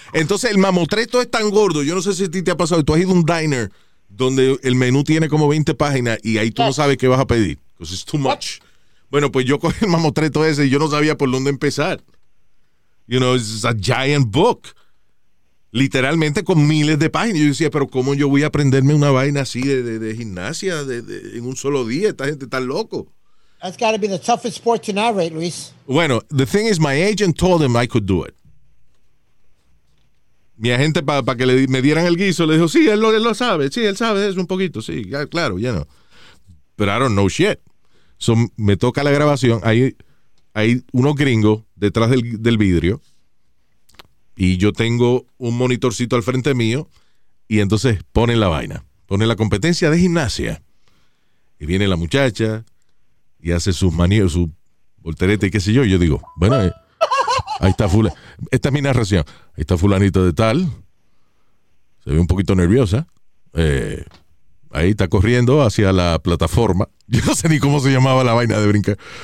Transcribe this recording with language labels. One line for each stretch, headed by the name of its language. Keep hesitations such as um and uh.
Spanish: Entonces el mamotreto es tan gordo. Yo no sé si a ti te ha pasado. Tú has ido a un diner donde el menú tiene como 20 páginas y ahí tú no sabes qué vas a pedir. pues es too much. Bueno, pues yo cogí el mamotreto ese y yo no sabía por dónde empezar.
English: You know, it's a giant book.
Spanish: Literalmente con miles de páginas. Yo decía, pero ¿cómo yo voy a aprenderme una vaina así de, de, de gimnasia de, en un solo día? Esta gente está loco.
English: That's got to be the toughest sport to narrate, Luis.
Spanish: Bueno,
English: the thing is, my agent told him I could do it.
Spanish: Mi agente, para pa que le, me dieran el guiso, le dijo, sí, él, él lo, sabe. Sí, él sabe eso un poquito. Sí, claro, ya
English: you no. Know.
Spanish: Pero
English: I don't know shit.
Spanish: So me toca la grabación. Ahí hay unos gringos detrás del, del, vidrio y yo tengo un monitorcito al frente mío y entonces ponen la vaina, ponen la competencia de gimnasia y viene la muchacha y hace sus maníos, su volterete y qué sé yo, y yo digo, bueno, eh, ahí está fula, esta es mi narración, ahí está fulanito de tal, se ve un poquito nerviosa, eh, ahí está corriendo hacia la plataforma, yo no sé ni cómo se llamaba la vaina de brincar.